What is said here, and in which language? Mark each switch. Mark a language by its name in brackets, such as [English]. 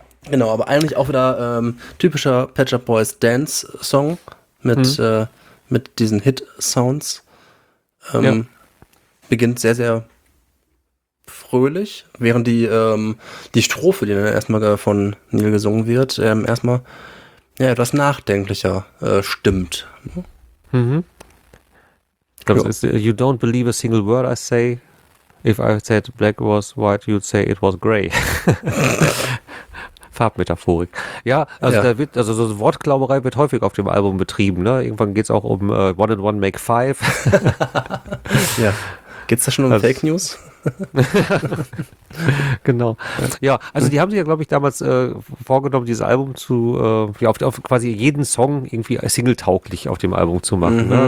[German] Genau, aber eigentlich auch wieder typischer Pet Shop Boys Dance-Song mit diesen Hit-Sounds. Beginnt sehr, sehr fröhlich, während die Strophe, die dann erstmal von Neil gesungen wird, erstmal ja, etwas nachdenklicher stimmt. [English] You don't believe a single word I say. If I said black was white, you'd say it was grey. [German] Farbmetaphorik. Ja, also ja. Da wird, also so Wortklauberei wird häufig auf dem Album betrieben. Ne? Irgendwann geht es auch um One and One Make Five. Ja. Geht es da schon um Fake News? Genau. Ja, also die haben sich ja, glaube ich, damals vorgenommen, dieses Album zu, auf quasi jeden Song irgendwie singletauglich auf dem Album zu machen. Mhm. Ne?